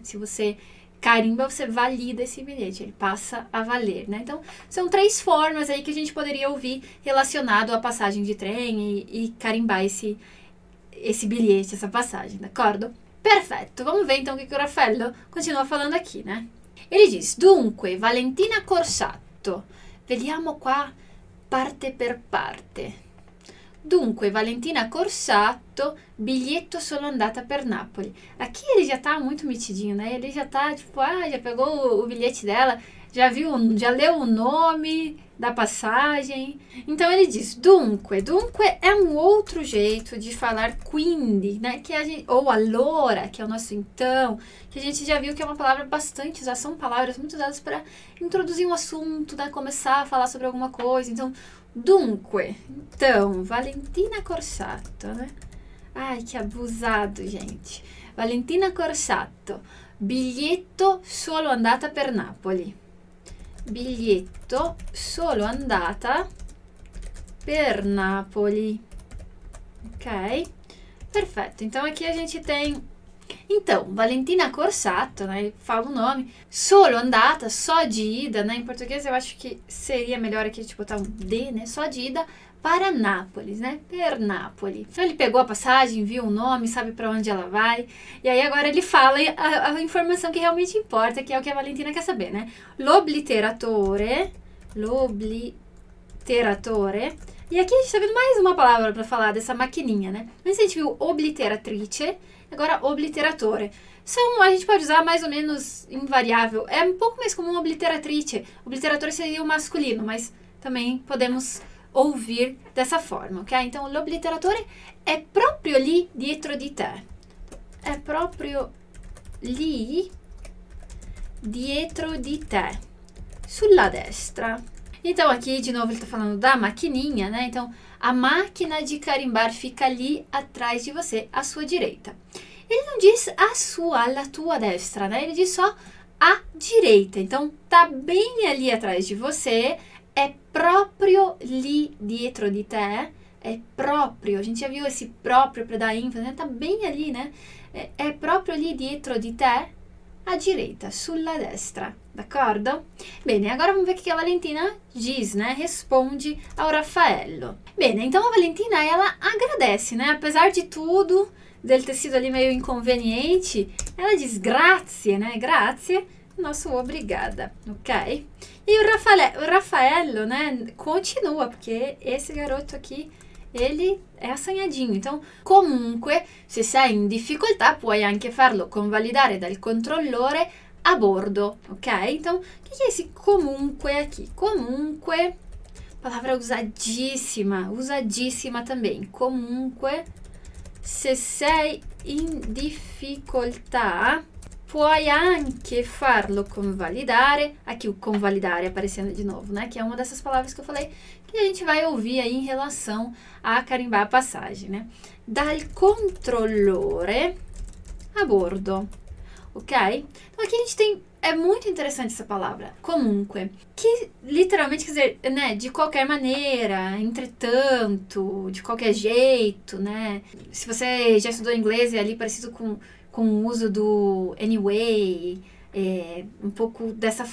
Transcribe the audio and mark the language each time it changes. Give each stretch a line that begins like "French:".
Portuguese: Se você carimba, você valida esse bilhete, ele passa a valer, né? Então, são três formas aí que a gente poderia ouvir relacionado à passagem de trem e carimbar esse bilhete, essa passagem, d'accordo? Perfeito, vamos ver então o que o Raffaello continua falando aqui, né? Ele diz,
Italian: dunque, Valentina Corsatto, vediamo qua parte per parte. Dunque, Valentina Corsatto, biglietto solo andata per Napoli.
Portuguese: Aqui ele já tá muito metidinho, né? Ele já tá, tipo, ah, já pegou o bilhete dela, já viu, já leu o nome da passagem. Então ele diz, dunque, dunque é um outro jeito de falar quindi, né? Que a gente, ou allora, que é o nosso então, que a gente já viu que é uma palavra bastante usada, são palavras muito usadas para introduzir um assunto, né? Começar a falar sobre alguma coisa, então... Dunque, então, Valentina Corsatto, né? Ai, que abusado, gente.
Italian: Valentina Corsatto, biglietto solo andata per Napoli. Biglietto solo andata per Napoli. Ok?
Portuguese: Perfetto, então aqui a gente tem... Então, Valentina Corsatto, né? Fala o nome. Solo andata, só de ida, né? Em português eu acho que seria melhor aqui, tipo, botar um D, né? Só de ida para Nápoles, né? Per Napoli. Então ele pegou a passagem, viu o nome, sabe para onde ela vai. E aí agora ele fala a informação que realmente importa, que é o que a Valentina quer saber, né?
Italian: L'obliteratore. L'obliteratore.
Portuguese: E aqui a gente tá vendo mais uma palavra para falar dessa maquininha, né? Mas a gente viu obliteratrice. Agora, obliteratore. A gente pode usar mais ou menos invariável. É um pouco mais comum obliteratrice. Obliteratore seria o masculino, mas também podemos ouvir dessa forma, ok?
Italian: Então, l'obliteratore é proprio lì dietro di te. É proprio lì dietro di te. Sulla destra.
Portuguese: Então, aqui, de novo, ele tá falando da maquininha, né? Então, a máquina de carimbar fica ali atrás de você, à sua direita. Ele não diz a sua, a tua destra, né? Ele diz só a direita. Então, tá bem ali atrás de você,
Italian: é proprio lì dietro di te,
Portuguese: é proprio. A gente já viu esse proprio para dar ênfase, né? Tá bem ali, né? É proprio lì dietro di te, à direita, sulla destra, d'accordo? Bene, agora vamos ver o que a Valentina diz, né? Responde ao Raffaello. Bene, então a Valentina, ela agradece, né? Apesar de tudo... del tessuto lì meio inconveniente, ela diz grazie, né? Grazie, nosso obrigada, ok? E o Rafaello, né, continua, porque esse garoto aqui, ele é assanhadinho.
Italian: Então, comunque, se sei in difficoltà, puoi anche farlo convalidare dal controllore a bordo, ok?
Portuguese: Então, o que é esse comunque aqui? Comunque, palavra usadíssima também.
Italian: Comunque, se sei in difficoltà, puoi anche farlo convalidare.
Portuguese: Aqui o convalidare aparecendo de novo, né? Que é uma dessas palavras que eu falei que a gente vai ouvir aí em relação a carimbar a passagem, né?
Italian: Dal controllore a bordo.
Portuguese: Ok? Então aqui a gente tem. É muito interessante essa palavra, comunque. Que literalmente quer dizer, né? De qualquer maneira, entretanto, de qualquer jeito, né? Se você já estudou inglês, é ali parecido com o uso do anyway, é, um pouco dessa.